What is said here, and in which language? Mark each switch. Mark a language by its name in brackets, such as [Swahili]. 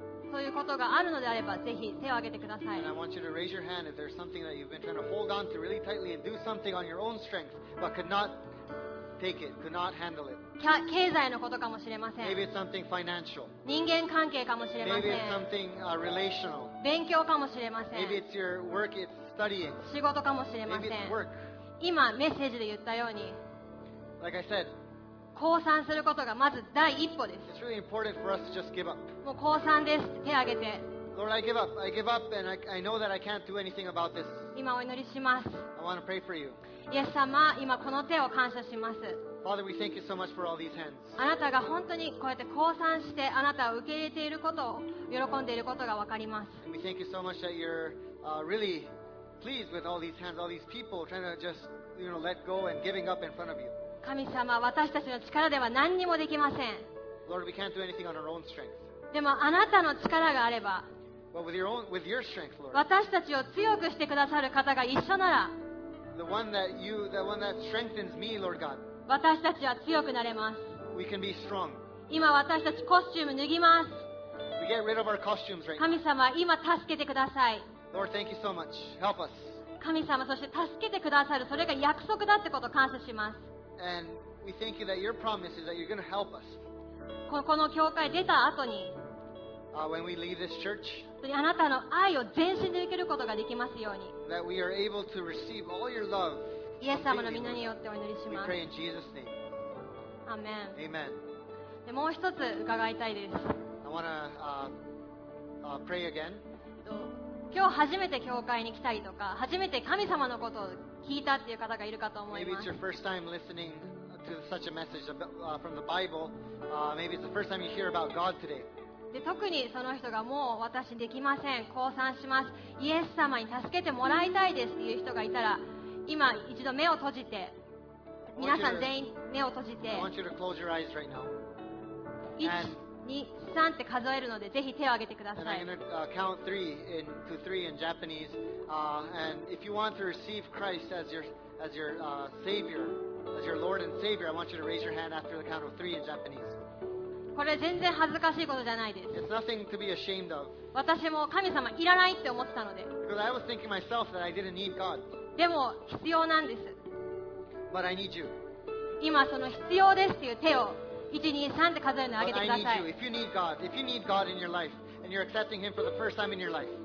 [Japanese] そういうことがあるのであればぜひ手を挙げてください。 [English] And I want you to raise your hand if there's something that you've been trying to hold on to really tightly and do something on your own strength but could not take it, could not handle it. [Japanese] 経済のことかもしれません。 [English] Maybe it's something financial. [Japanese] 人間関係かもしれません。 [English] Maybe it's something relational. [Japanese] 勉強かもしれません。 [English] Maybe it's your work, it's studying. [Japanese] 仕事かもしれません。 [English] Maybe it's work. [Japanese] 今メッセージで言ったように [English] Like I said, [Japanese] 降参することがまず第一歩です。 [English] It's really important for us to just give up. [Japanese] もう降参です。手を挙げて。 [English] Lord, I give up. I give up, and I know that I can't do anything about this. [Japanese] 今お祈りします。 [English] I want to pray for you. [Japanese] イエス様、今この手を感謝します。 [English] Father, we thank you so much for all these hands. [Japanese] あなたが本当にこうやって降参して、あなたを受け入れていることを喜んでいることが分かります。 [English] And we thank you so much that you're really pleased with all these hands, all these people trying to just, you know, let go and giving up in front of you. [Japanese] 神様、私たちの力では何にもできません。 [English] Lord, we can't do anything on our own strength. [Japanese] でもあなたの力があれば、 [English] well, with your own, with your strength, Lord. [Japanese] 私たちを強くしてくださる方が一緒なら、 [English] the one that you, the one that strengthens me, Lord God. [Japanese] 私たちは強くなれます。 [English] We can be strong. [Japanese] 今私たちコスチューム脱ぎます。 [English] We get rid of our costumes right now. [Japanese] 神様、今助けてください。 [English] Lord, thank you so much. Help us. [Japanese] 神様、そして助けてくださる、それが約束だってことを感謝します。 [English] And we thank you that your promise is that you're going to help us. [Japanese] この教会出た後に、 [English] when we leave this church, [Japanese] あなたの愛を全身で受けることができますように。 [English] That we are able to receive all your love. [Japanese] イエス様の御名によってお祈りします。 [English] We pray in Jesus' name. Amen. Amen. [Japanese] でもう一つ伺いたいです。 [English] I want to pray again. [Japanese] 今日初めて教会に来たりとか、初めて神様のことを聞いたっていう方がいるかと思います。 [English] Maybe it's your first time listening to such a message from the Bible. Maybe it's the first time you hear about God today. [Japanese] で、特にその人がもう私できません、降参します、イエス様に助けてもらいたいですっていう人がいたら、今一度目を閉じて、皆さん全員目を閉じて。 [English] I want you to close your eyes right now. [Japanese] 1,2,3 って数えるので、ぜひ手を挙げてください。 [English] And I'm going to count three to three in Japanese. And if you want to receive Christ as your Savior, as your Lord and Savior, I want you to raise your hand after the count of three in Japanese. [Japanese] これ全然恥ずかしいことじゃないです。 [English] It's nothing to be ashamed of. [Japanese] 私も神様いらないって思ってたので。 [English] Because I was thinking myself that I didn't need God. [Japanese] でも必要なんです。 [English] But I need you. [Japanese] 今その必要ですっていう手を1,2,3 って数えるのを挙げてください。 [English] But I need you. If you need God, if you need God in your life, and you're accepting Him for the first time in your life.